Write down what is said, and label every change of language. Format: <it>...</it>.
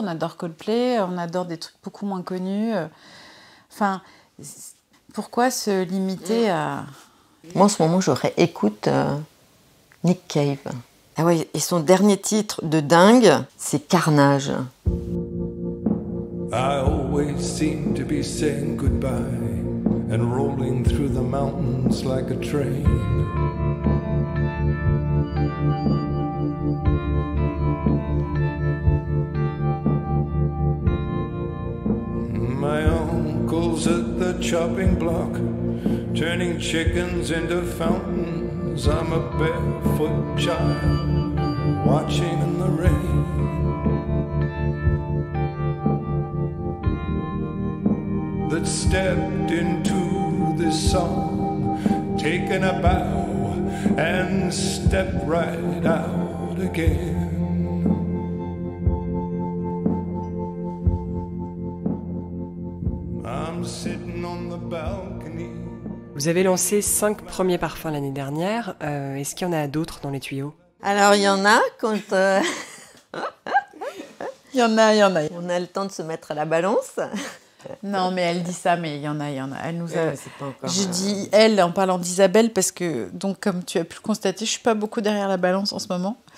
<fr>On adore Coldplay, on adore des trucs beaucoup moins connus. Enfin, pourquoi se limiter à... Moi, en ce moment, j'aurais écouté Nick Cave. Ah ouais, et son dernier titre de dingue, c'est Carnage.</fr> <en>I always seem to be saying goodbye and rolling through the mountains like a train. My uncle's at the chopping block, turning chickens into fountains. I'm a barefoot child watching in the rain. That stepped into this song, taken a bow, and stepped right out again. I'm sitting on the balcony.</en> <fr>Vous avez lancé 5 premiers parfums l'année dernière. Est-ce qu'il y en a d'autres dans les tuyaux? Alors, il y en a quand... Il y en a. On a le temps de se mettre à la balance. Non, mais elle dit ça, mais il y en a. Elle nous a... Ouais, c'est pas encore... Je dis elle en parlant d'Isabelle, parce que, donc, comme tu as pu le constater, je suis pas beaucoup derrière la balance en ce moment.</fr>